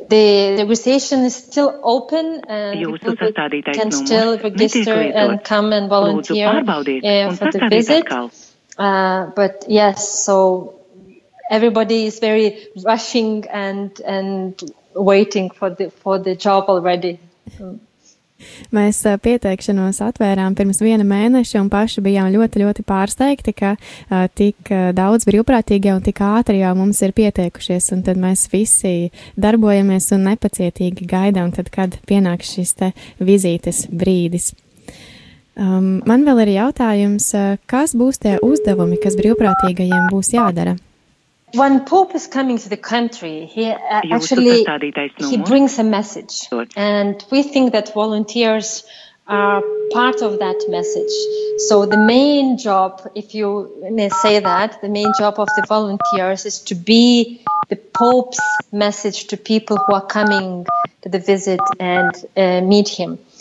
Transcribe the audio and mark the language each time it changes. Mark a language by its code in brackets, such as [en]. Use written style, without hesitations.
[en] The registration is still open and people can still register and come and volunteer for the visit. But yes, so everybody is very rushing and waiting for the job already. [lv] Mēs pieteikšanos atvērām pirms viena mēneša un paši bijām ļoti, ļoti pārsteigti, ka tik daudz brīvprātīgie un tik ātri jau mums ir pieteikušies, un tad mēs visi darbojamies un nepacietīgi gaidām, tad, kad pienāk šis te vizītes brīdis. Man vēl ir jautājums, kas būs tie uzdevumi, kas brīvprātīgajiem būs jādara? [en] When Pope is coming to the country, he actually he brings a message, and we think that volunteers are part of that message. So the main job, if you may say that, the main job of the volunteers is to be the Pope's message to people who are coming to the visit and meet him.